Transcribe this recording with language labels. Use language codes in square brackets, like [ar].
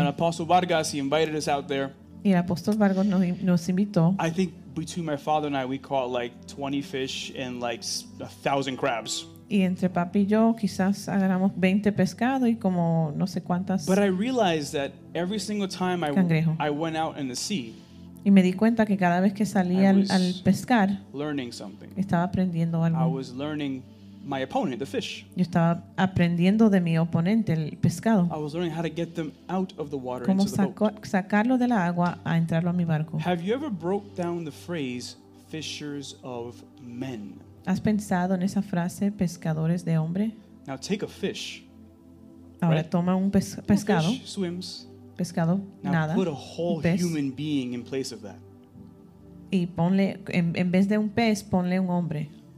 [en] And Apostle Vargas, he invited us out there. [es] Y el apóstol Vargas nos invitó. [en] I think between my father and I, we caught like 20 fish and like 1,000 crabs. [es] Y entre papi y yo, quizás agarramos 20 pescados y como no sé cuántas. [en] But I realized that every single time I went out in the sea. [es] Y me di cuenta que cada vez que salía al pescar, [en] learning something. [es] Estaba aprendiendo algo. [en] I was learning my opponent, the fish. [es] Yo estaba aprendiendo de mi oponente, el pescado. [en] I was learning how to get them out of the water [es] cómo [en] into the boat. [es] Sacarlo de la agua a entrarlo a mi barco. [en] Have you ever broke down the phrase fishers of men? [es] ¿Has pensado en esa frase pescadores de hombre? [en] Now take a fish. [es] Ahora [en] right? [es] Toma un pescado. [en] Fish swims. [es] Pescado [en] now [es] nada. [en] Put a whole pez. Human being in place of that. [es] Y ponle en vez de un pez, ponle un hombre.